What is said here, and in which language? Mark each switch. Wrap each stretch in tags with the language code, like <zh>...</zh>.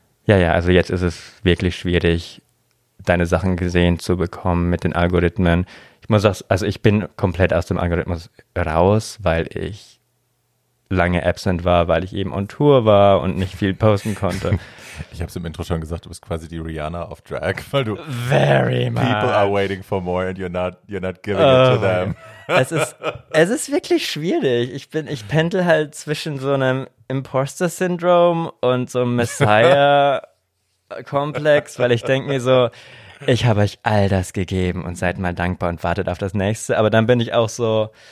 <de>Ja, also jetzt ist es wirklich schwierig, deine Sachen gesehen zu bekommen mit den Algorithmen. Ich muss sagen, also ich bin komplett aus dem Algorithmus raus, weil ich lange absent war, weil ich eben on Tour war und nicht viel posten konnte. Ich habe es im Intro schon gesagt, du bist quasi die Rihanna of Drag, weil du</de> <en>very much. People are waiting for more and you're not giving it to them.</en> <de>Es ist wirklich schwierig. Ich pendel halt zwischen so einem Imposter-Syndrom und so einem Messiah-Komplex, weil ich denke mir so, ich habe euch all das gegeben und seid mal dankbar und wartet auf das Nächste. Aber dann bin ich auch so,</de>